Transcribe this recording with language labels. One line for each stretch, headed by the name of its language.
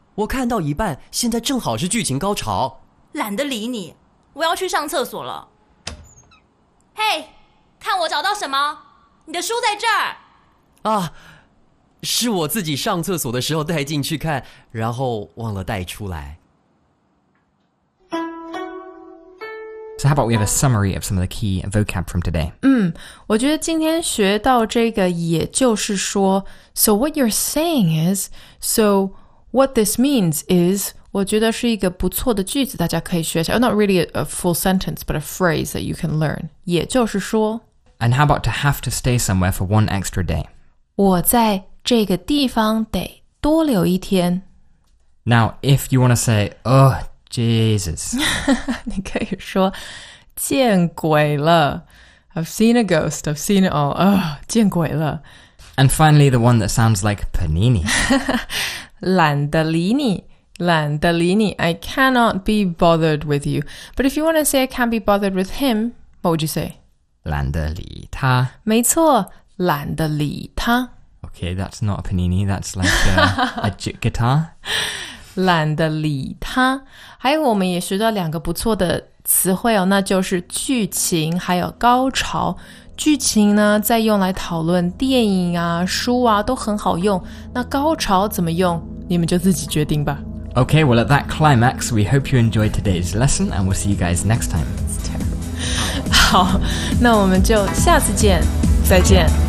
Chinese: 我看到一半，现在正好是剧情高潮。懒得理你，我要去上厕所了。嘿，看我找到什么？你的书在这儿。啊，是我自己上厕所的时候带进去看，然后忘了带出来。
English: So how about we have a summary of some of the key vocab from today?
Chinese: 我觉得今天学到这个也就是说
English: So what you're saying is, so what this means is,
Chinese: 我觉得是一个不错的句子大家可以学一下
English: Not really a full sentence, but a phrase that you can learn.
Chinese: 也就是说
English: And how about to have to stay somewhere for one extra day?
Chinese: 我在这个地方得多留一天。
English: Now, if you want to say, oh, Jesus.
Chinese: 你可以说见鬼了。
English: I've seen a ghost, I've seen it all. Oh,
Chinese: 见鬼了。
English: And finally, the one that sounds like panini.
Chinese: 懒得理你。懒得理你。
English: I cannot be bothered with you. But if you want to say I can't be bothered with him, what would you say?
Chinese: 懒得理他。没错。懒得理他。
English: Okay, that's not a panini, that's like a guitar.
Chinese: 懒得理他。还有我们也学到两个不错的词汇哦，那就是剧情还有高潮。剧情呢，再用来讨论电影啊、书啊，都很好用。那高潮怎么用，你们就自己决定吧。
English: Okay, well, at that climax, we hope you enjoyed today's lesson, and we'll see you guys next time. It's terrible.
Chinese: 好，那我们就下次见，再见。